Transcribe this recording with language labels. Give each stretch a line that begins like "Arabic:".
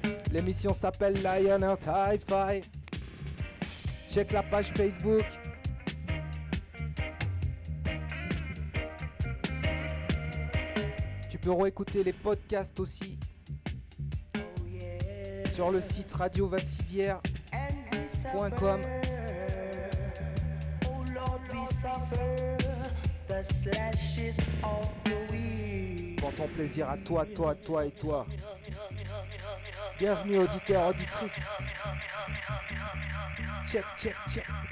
French: L'émission s'appelle Lion Heart Hi-Fi. Check la page Facebook. Tu peux réécouter les podcasts aussi sur le site radiovassivière.com.
English: Oh Lord, we suffer the slashes of the wind.
French: Pour ton plaisir à toi, toi, toi et toi. Bienvenue auditeur, auditrice.
English: Check, check, check.